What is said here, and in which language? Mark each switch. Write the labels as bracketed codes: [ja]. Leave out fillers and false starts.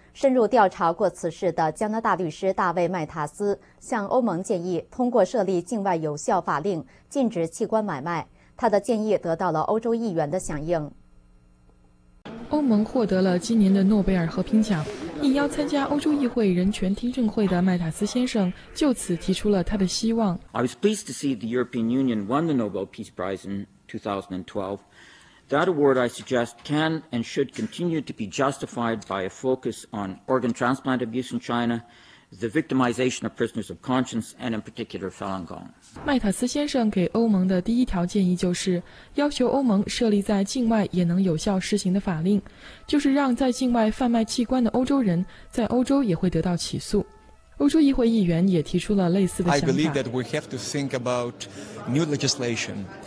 [zh] 深入调查过此事的加拿大律师大卫·麦塔斯向欧盟建议，通过设立境外有效法令禁止器官买卖。他的建议得到了欧洲议员的响应。欧盟获得了今年的诺贝尔和平奖，应邀参加欧洲议会人权听证会的麦塔斯先生就此提出了他的希望。 [en] I was pleased to see the European Union won the Nobel Peace Prize in 2012. That award, I suggest, can and should continue to be justified by a focus on organ transplant abuse in China, the victimization of prisoners of conscience, and in particular Falun Gong. [zh] 麦塔斯先生给欧盟的第一条建议就是要求欧盟设立在境外也能有效施行的法令，就是让在境外贩卖器官的欧洲人在欧洲也会得到起诉。欧洲议会议员也提出了类似的想法。 [en] I believe that we have to think about new legislation.